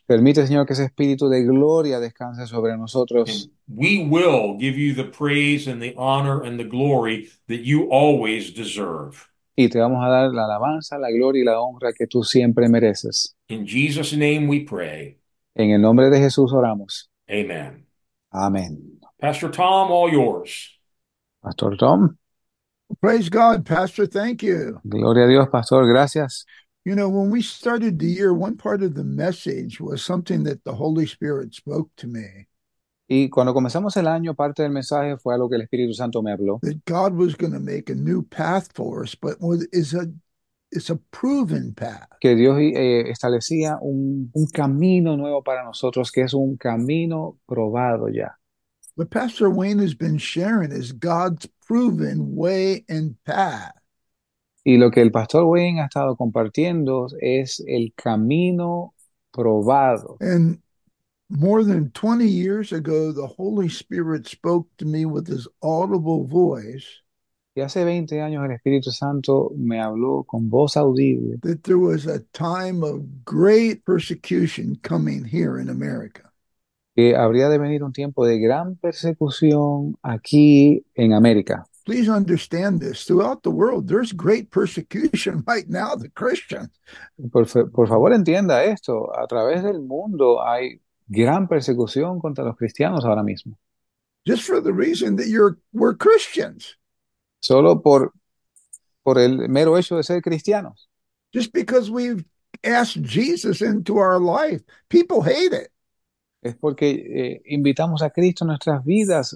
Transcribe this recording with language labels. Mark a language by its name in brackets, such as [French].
[Spanish] Permite, Señor, que ese espíritu de gloria descanse sobre nosotros. [English] And we will give you the praise and the honor and the glory that you always deserve. [Spanish] Y te vamos a dar la alabanza, la gloria y la honra que tú siempre mereces. [English] In Jesus' name we pray. [Spanish] En el nombre de Jesús oramos. [English] Amen. [Spanish] Amén. [English] Pastor Tom, all yours. Pastor Tom. Praise God, Pastor. Thank you. [Spanish] Gloria a Dios, Pastor. Gracias. [English] You know, when we started the year, one part of the message was something that the Holy Spirit spoke to me. [Spanish] Y cuando comenzamos el año, parte del mensaje fue algo que el Espíritu Santo me habló. [English] That God was going to make a new path for us, but it's a proven path. [Spanish] Que Dios establecía un camino nuevo para nosotros, que es un camino probado ya. [English] What Pastor Wayne has been sharing is God's proven way and path. [Spanish] Y lo que el pastor Wayne ha estado compartiendo es el camino probado. [English] And more than 20 years ago, the Holy Spirit spoke to me with his audible voice [Spanish] Y hace 20 años el Espíritu Santo me habló con voz audible. [English] that there was a time of great persecution coming here in America. [Spanish] Que habría de venir un tiempo de gran persecución aquí en América. [English] Please understand this. Throughout the world, there's great persecution right now, the Christians. [Spanish] Por favor, entienda esto. A través del mundo hay gran persecución contra los cristianos ahora mismo. [English] Just for the reason that we're Christians. [Spanish] Solo por el mero hecho de ser cristianos. [English] Just because we've asked Jesus into our life, people hate it. [Spanish] Es porque invitamos a Cristo a nuestras vidas.